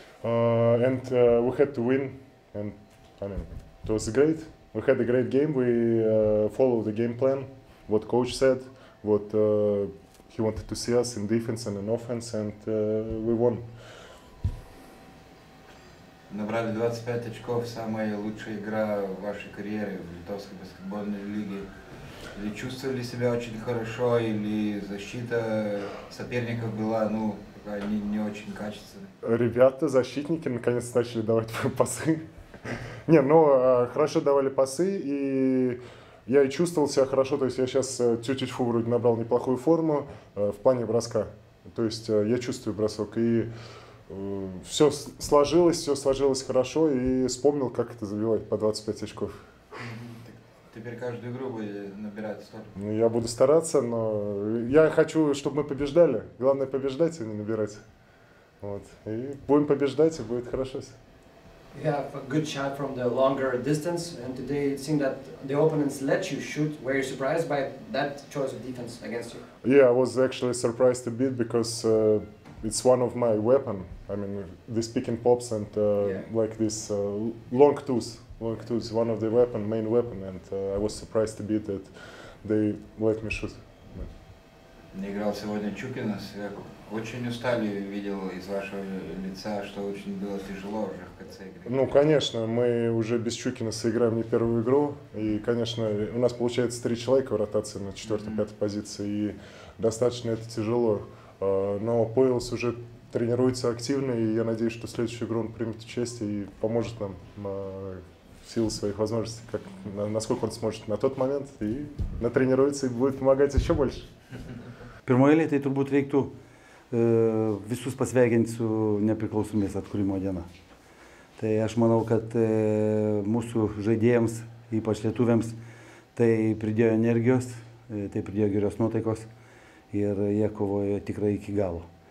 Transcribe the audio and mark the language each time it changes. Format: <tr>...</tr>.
<en>And we had to win and I mean, it was great. We had a great game. We followed the game plan, what coach said, what he wanted to see us in defense and in offense, and we won.</en> <ru>Набрали 25 очков, самая лучшая игра в вашей карьере в Литовской баскетбольной лиге. Или чувствовали себя очень хорошо, или защита соперников была, ну, не очень качественная? Ребята, защитники, наконец-то начали давать пасы. Не, ну, хорошо давали пасы, и я и чувствовал себя хорошо, то есть я сейчас тю-тю-тьфу вроде набрал неплохую форму в плане броска. То есть я чувствую бросок, и все сложилось хорошо, и вспомнил, как это забивать по 25 очков. Теперь каждую игру будет набирать столько? Я буду стараться, но я хочу, чтобы мы побеждали. Главное побеждать, а не набирать. Вот. И будем побеждать, и будет хорошо.</ru> <en>You have a good shot from the longer distance, and today it seemed that the opponents let you shoot. Were you surprised by that choice of defense against you? Yeah, I was actually surprised a bit because it's one of my weapon. I mean, this pick and pops and like this long twos, one of the weapon, main weapon, and I was surprised a bit that they let me shoot.</en> <ru>Не играл сегодня Чукинас. Очень устали, видел из вашего лица, что очень было тяжело уже в конце игры. Ну, конечно, мы уже без Чукинаса играем не первую игру. И, конечно, у нас получается три человека в ротации на четвертой, пятой позиции. И достаточно это тяжело. Но Пойлс уже тренируется активно, и я надеюсь, что в следующую игру он примет участие и поможет нам в силу своих возможностей, как, насколько он сможет на тот момент, и натренируется, и будет помогать еще больше.</ru> <lt>Pirmoje lietai turbūt reiktų visus pasveikinti su nepriklausomės atkūrimo diena. Tai aš manau, kad mūsų žaidėjams, ypač lietuviams, tai pridėjo energijos, tai pridėjo geros nuotaikos ir jie kovojo tikrai iki galo.</lt>